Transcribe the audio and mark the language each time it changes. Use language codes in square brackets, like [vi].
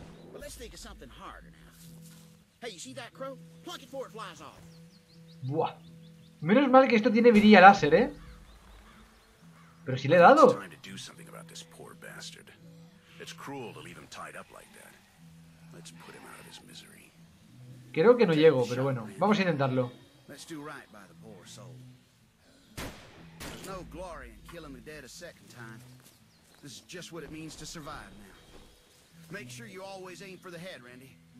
[en] But let's think of something harder now. Hey, you see that crow? Plunk it before it flies off. Buah. [es] Menos mal que esto tiene virilla láser, ¿eh? Pero si le he dado. [en] Time to do something about this poor bastard. It's cruel to leave him tied up like that. Let's put him out of his misery. [es] Creo que no llego, pero bueno, vamos a intentarlo. [en] Let's do right by the poor soul. There's no glory in killing the dead a second time. This is just what it means to survive now. Make sure you always aim for the head, Randy.